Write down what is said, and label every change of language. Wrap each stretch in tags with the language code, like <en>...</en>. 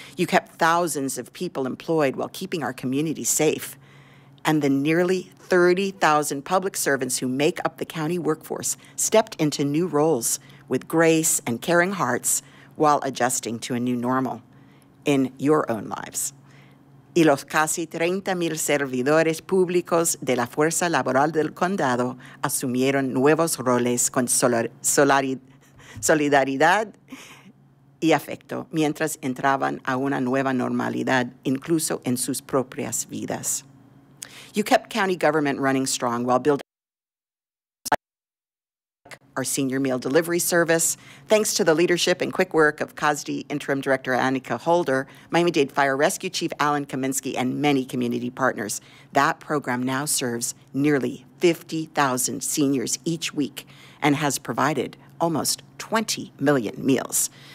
<en>You kept thousands of people employed while keeping our community safe. And the nearly 30,000 public servants who make up the county workforce stepped into new roles with grace and caring hearts while adjusting to a new normal in your own lives.</en> <es>Y los casi 30,000 servidores públicos de la Fuerza Laboral del Condado asumieron nuevos roles con solidaridad y afecto mientras entraban a una nueva normalidad, incluso en sus propias vidas.</es> <en>You kept county government running strong while building our senior meal delivery service. Thanks to the leadership and quick work of CASD Interim Director Annika Holder, Miami-Dade Fire Rescue Chief Alan Kaminsky, and many community partners, that program now serves nearly 50,000 seniors each week and has provided almost 20 million meals.</en>